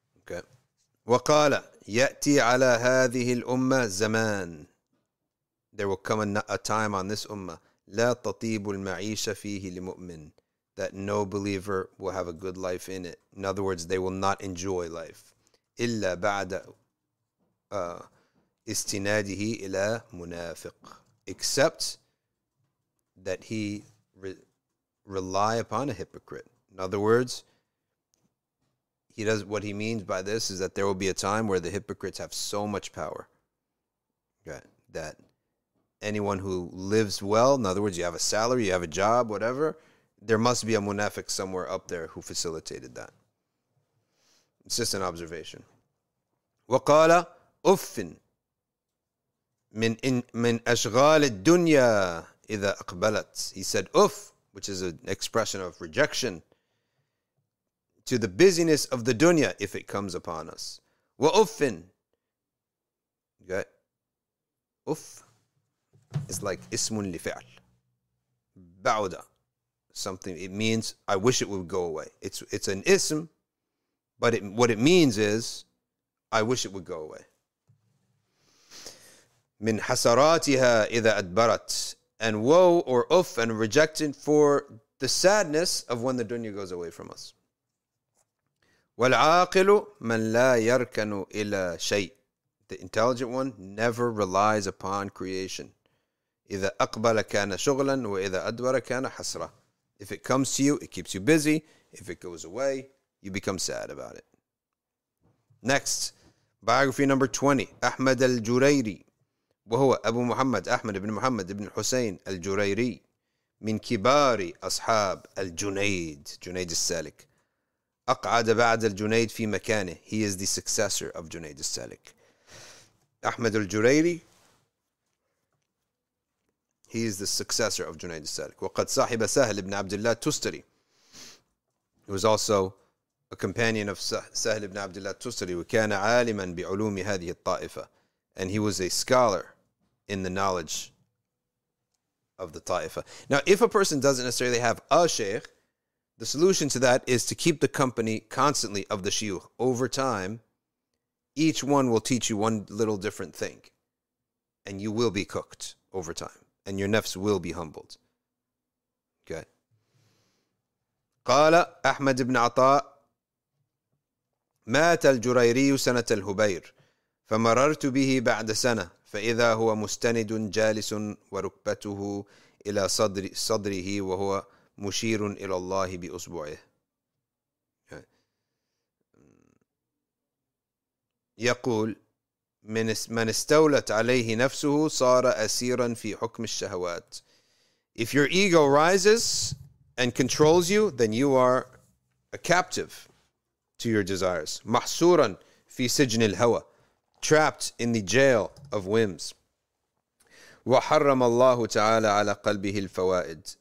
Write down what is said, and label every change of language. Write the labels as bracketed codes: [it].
[ar] Okay. وَقَالَ يَأْتِي عَلَى هَذِهِ الْأُمَّةِ زَمَانٍ. [en] There will come a time on this ummah, [ar] لَا تَطِيبُ الْمَعِيشَ فِيهِ لِمُؤْمِنٍ, [en] that no believer will have a good life in it. In other words, they will not enjoy life. [ar] إلا بعد استناده إلى منافق. [en] Except that he rely upon a hypocrite. In other words, he does. What he means by this is that there will be a time where the hypocrites have so much power, right, that anyone who lives well, in other words, you have a salary, you have a job, whatever, there must be a munafiq somewhere up there who facilitated that. It's just an observation. [ar] وَقَالَ أُفٍ مِنْ أَشْغَالِ الدُّنْيَا إِذَا أَقْبَلَتْ. [en] He said, "Uff," which is an expression of rejection, to the busyness of the dunya if it comes upon us. وَأُفٍ. You got uff. It's like ismun lifi'l. Ba'uda. Something, it means, I wish it would go away. It's an ism, but it, what it means is, I wish it would go away. [ar] Min hasaratiha idha adbarat. [en] And woe or uff and rejected for the sadness of when the dunya goes away from us. [ar] Wal'aqilu man la yarkanu ila shay. [en] The intelligent one never relies upon creation. [ar] إذا أقبل كان شغلا وإذا أدبر كان حسرة. [en] If it comes to you, it keeps you busy. If it goes away, you become sad about it. Next, biography number 20. [ar] أحمد الجريري وهو أبو محمد أحمد بن محمد بن حسين الجريري من كبار أصحاب الجنيد. جنيد السالك. أقعد بعد الجنيد في مكانه. [en] He is the successor of جنيد السالك. [ar] أحمد الجريري. [en] He is the successor of Junayd al-Salik. [ar] وَقَدْ صَاحِبَ سَهْلِ بْنَ عَبْدِ اللَّهِ تُسْتَرِي. [en] He was also a companion of Sahl ibn Abdullah al-Tustari. [ar] وَكَانَ عَالِمًا بِعُلُومِ هَذِهِ الطَّائِفَةِ. [en] And he was a scholar in the knowledge of the ta'ifa. Now, if a person doesn't necessarily have a sheikh, the solution to that is to keep the company constantly of the shiuch. Over time, each one will teach you one little different thing. And you will be cooked over time. And your nafs will be humbled. Okay. [ar] قال أحمد بن عطاء مات الجريري سنة الهبير فمررت به بعد سنة فإذا هو مستند جالس وركبته إلى صدره وهو مشير إلى الله بأصبعه. يقول من استولت عليه نفسه صار أسيرا في حكم الشهوات. [en] If your ego rises and controls you, then you are a captive to your desires. [ar] محصورا في سجن الهوى. [en] Trapped in the jail of whims. [ar] وحرم الله تعالى على قلبه الفوائد.